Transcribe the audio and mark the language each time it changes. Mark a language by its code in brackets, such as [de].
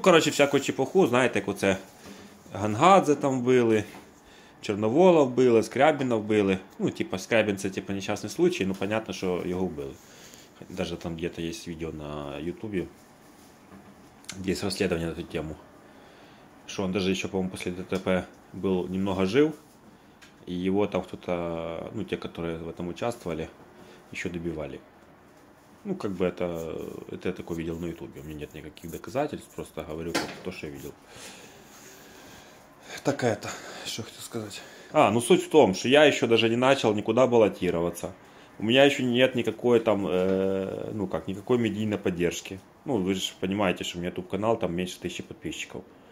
[uk] Всяку чепуху, знаєте, як оце Гангадзе там вбили, Чорновола вбили, Скрябіна вбили. Скрябін це, нещасний случай, [ru] понятно, [uk] що його вбили. Навіть там де-то є відео на Ютубі, де є розслідування на цю тему. Що він навіть ще, по-моєму, після ДТП був [ru] немного [uk] жив. [ru] И его там кто-то, те, которые в этом участвовали, еще добивали. Это я такое видел на Ютубе. У меня нет никаких доказательств, просто говорю то, что я видел. Такая-то, что хочу сказать. Суть в том, что я еще даже не начал никуда баллотироваться. У меня еще нет никакой там, никакой медийной поддержки. Вы же понимаете, что у меня YouTube-канал там меньше 1000 подписчиков.